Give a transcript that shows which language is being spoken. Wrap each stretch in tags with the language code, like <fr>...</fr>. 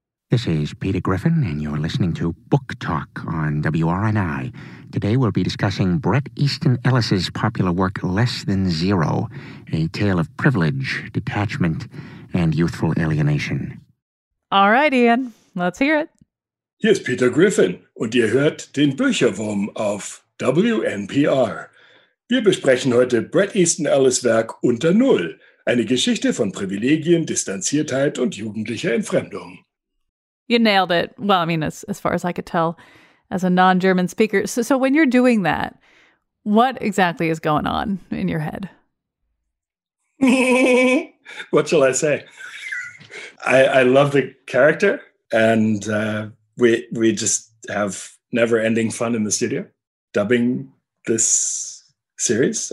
<en>This is Peter Griffin, and you're listening to Book Talk on WRNI. Today, we'll be discussing Bret Easton Ellis's popular work, Less Than Zero, a tale of privilege, detachment, and youthful alienation. All right, Ian, let's hear it.</en> <de>Hier ist Peter Griffin und ihr hört den Bücherwurm auf WNPR. Wir besprechen heute Bret Easton Ellis' Werk Unter Null, eine Geschichte von Privilegien, Distanziertheit und jugendlicher Entfremdung.</de> <en>You nailed it. Well, I mean, as far as I could tell, as a non-German speaker. So when you're doing that, what exactly is going on in your head? What shall I say? I love the character, and we just have never-ending fun in the studio dubbing this series.</en>